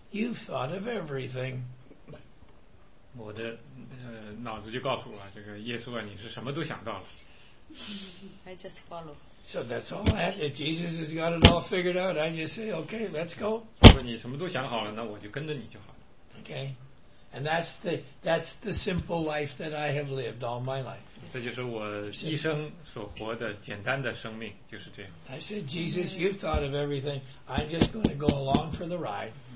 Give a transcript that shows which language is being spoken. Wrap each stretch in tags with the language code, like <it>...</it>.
<en>You've thought of everything.</en> <zh>我的脑子就告诉我，这个耶稣啊，你是什么都想到了。</zh> <en>I just follow. So that's all that. If Jesus has got it all figured out, I just say, okay, let's go.</en> <zh>如果你什么都想好了，那我就跟着你就好了。</zh> <en>Okay. And that's the simple life that I have lived all my life.</en> <zh>这就是我一生所活的简单的生命，就是这样。</zh> <en>I said, Jesus, you've thought of everything. I'm just going to go along for the ride.</en>